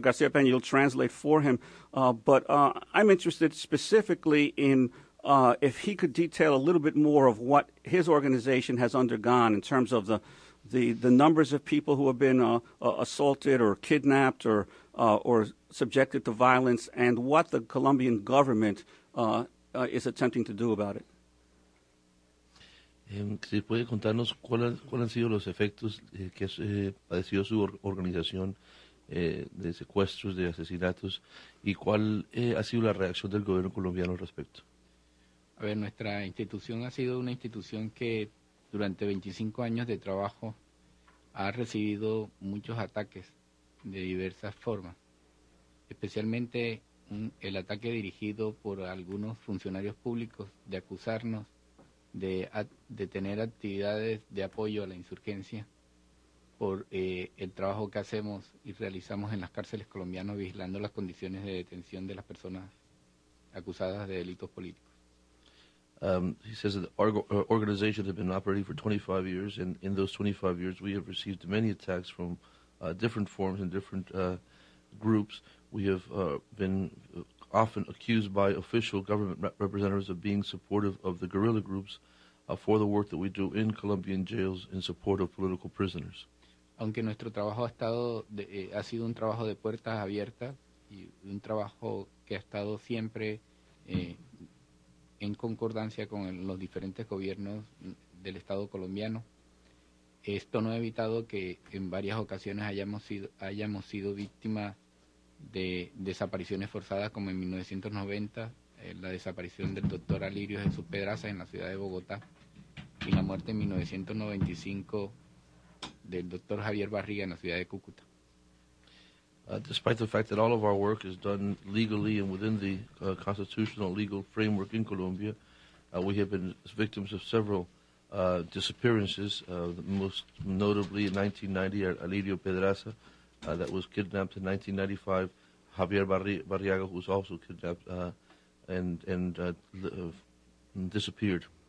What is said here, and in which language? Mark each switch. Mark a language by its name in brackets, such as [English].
[English] Garcia Pena, you'll translate for him. But I'm interested specifically in if he could detail a little bit more of what his organization has undergone in terms of the numbers of people who have been assaulted or kidnapped or subjected to violence, and what the Colombian government is attempting to do about it. [Spanish] ¿Se puede contarnos cuáles han sido los efectos que ha padecido su organización de secuestros, de asesinatos, y cuál ha sido la reacción del gobierno colombiano al respecto? A ver, nuestra institución ha sido una institución que durante 25 años de trabajo ha recibido muchos ataques de diversas formas, especialmente el ataque dirigido por algunos funcionarios públicos de acusarnos de tener actividades de apoyo a la insurgencia por el trabajo que hacemos y realizamos en las cárceles colombianas vigilando las condiciones de detención de las personas acusadas de delitos políticos. [English] He says that our organization has been operating for 25 years, and in those 25 years, we have received many attacks from different forms and different groups. We have been often accused by official government representatives of being supportive of the guerrilla groups for the work that we do in Colombian jails in support of political prisoners. [Spanish] Aunque nuestro trabajo ha sido un trabajo de puertas abiertas y un trabajo que ha estado siempre en concordancia con los diferentes gobiernos del Estado colombiano, esto no ha evitado que en varias ocasiones hayamos sido víctimas de desapariciones forzadas, como en 1990, la desaparición del doctor Alirio Jesús Pedraza en la ciudad de Bogotá, y la muerte en 1995 del doctor Javier Barriga en la ciudad de Cúcuta. [English] Despite the fact that all of our work is done legally and within the constitutional legal framework in Colombia, we have been victims of several disappearances, most notably in 1990, Alirio Pedraza, that was kidnapped, in 1995, Javier Barriaga, who was also kidnapped and disappeared.